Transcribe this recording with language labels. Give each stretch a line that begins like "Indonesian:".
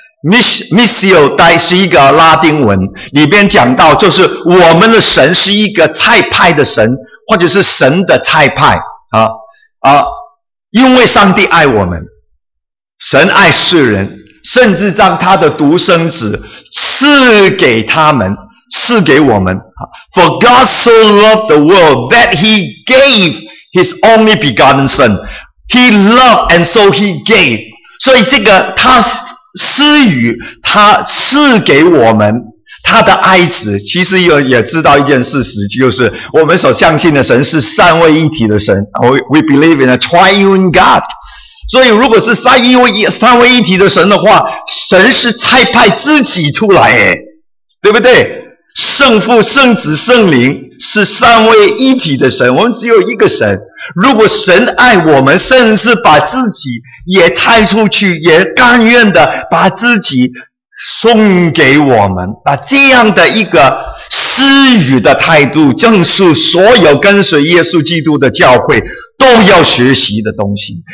Chinese: missiodite 是一个拉丁文，里边讲到就是我们的神是一个差派的神，或者是神的差派啊啊！因为上帝爱我们，神爱世人，甚至让他的独生子赐给他们，赐给我们。
English: For God so loved the world that he gave his only begotten son. He loved and so he gave.
Chinese: 所以这个他施予，他赐给我们他的爱子。其实也知道一件事实，就是我们所相信的神是三位一体的神。
English: We believe in a triune God.
Chinese: 所以如果是三位一体的神的话，神是差派自己出来，对不对？圣父、圣子、圣灵是三位一体的神，我们只有一个神。如果神爱我们，甚至把自己也差出去，也甘愿的把自己送给我们，把这样的一个施予的态度，正是所有跟随耶稣基督的教会都要学习的东西。